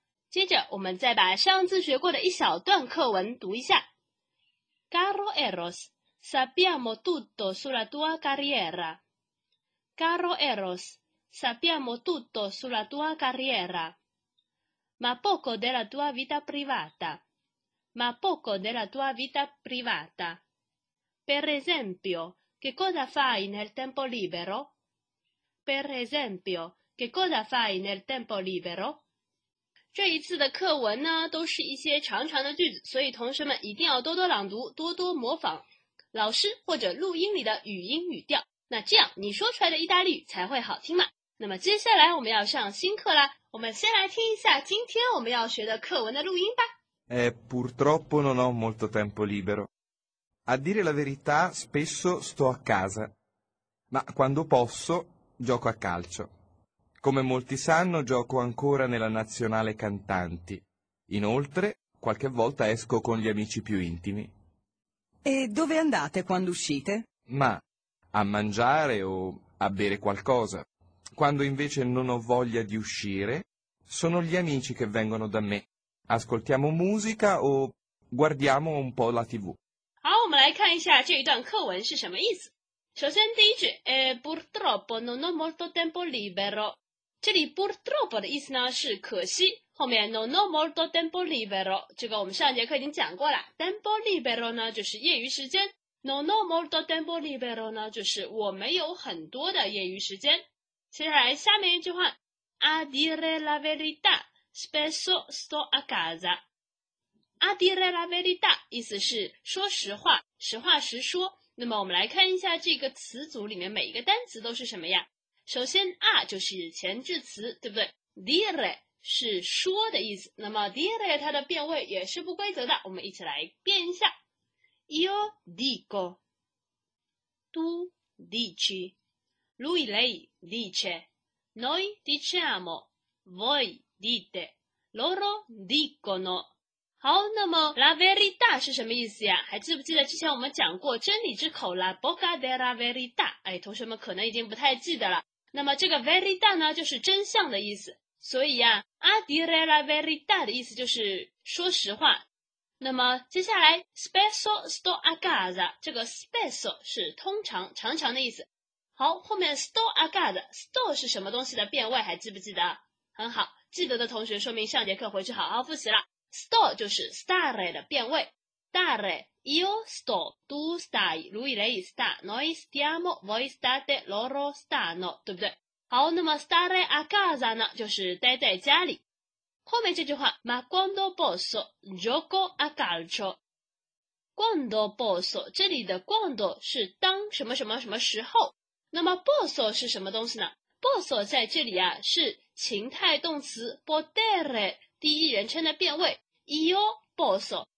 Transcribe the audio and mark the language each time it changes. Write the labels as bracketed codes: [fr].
[zh] 接着我们再把上次学过的一小段课文读一下。 [it] Caro Eros, sappiamo tutto sulla tua carriera. Caro Eros, sappiamo tutto sulla tua carriera. Ma poco della tua vita privata. Ma poco della tua vita privata. Per esempio, che cosa fai nel tempo libero? Per esempio, che cosa fai nel tempo libero? [zh] 这一次的课文呢，都是一些长长的句子，所以同学们一定要多多朗读，多多模仿老师或者录音里的语音语调，那这样你说出来的意大利语才会好听嘛。那么接下来我们要上新课啦，我们先来听一下今天我们要学的课文的录音吧。 [it] Purtroppo non ho molto tempo libero. A dire la verità, spesso sto a casa. Ma quando posso, gioco a calcio. Come molti sanno, gioco ancora nella nazionale cantanti. Inoltre, qualche volta esco con gli amici più intimi. E dove andate quando uscite? Ma, a mangiare o a bere qualcosa. Quando invece non ho voglia di uscire, sono gli amici che vengono da me. Ascoltiamo musica o guardiamo un po' la TV. [zh] 好，我们来看一下这一段课文是什么意思。首先第一句， [it] purtroppo non ho molto tempo libero。 [zh] 这里 purtroppo 的意思呢是可惜，后面 [it] non ho molto tempo libero， [zh] 这个我们上节课已经讲过了。 tempo libero 呢就是业余时间， [it] non ho molto tempo libero [zh] 呢就是我没有很多的业余时间。接下来下面一句话， [it] a dire la verità spesso sto a casa。 a dire la verità [zh] 意思是说实话，实话实说。那么我们来看一下这个词组里面每一个单词都是什么呀。首先 ，a 就是前置词，对不对 ？dire 是说的意思，那么 dire 它的变位也是不规则的，我们一起来变一下。 [it] Io dico, tu dici, lui lei dice, noi diciamo, voi dite, loro dicono。 [zh] 好，那么 la verità 是什么意思呀？还记不记得之前我们讲过真理之口 [it] la bocca della verità？ [zh] 哎，同学们可能已经不太记得了。那么这个 verità 呢就是真相的意思，所以啊 [it] a dire la verità [zh] 的意思就是说实话。那么接下来 [it] spesso sto a casa， [zh] 这个 spesso 是通常常常的意思。好，后面 [it] sto a casa， [zh] sto 是什么东西的变位，还记不记得？很好，记得的同学说明上节课回去好好复习了。 [it] sto 就是 stare [zh] 的变位， [it] stare， io sto， tu stai， lui lei sta， noi stiamo， voi state， loro stanno， 对不对？ [zh] 好，那么 [it] stare a casa [zh] 呢就是待在家里。后面这句话 [it] ma quando posso gioco a calcio， [zh] quando posso 这里的 quando 是当什么什么什么时候，那么 posso 是什么东西呢？ posso 在这里啊是情态动词 potere 第一人称的变位 [it] io posso。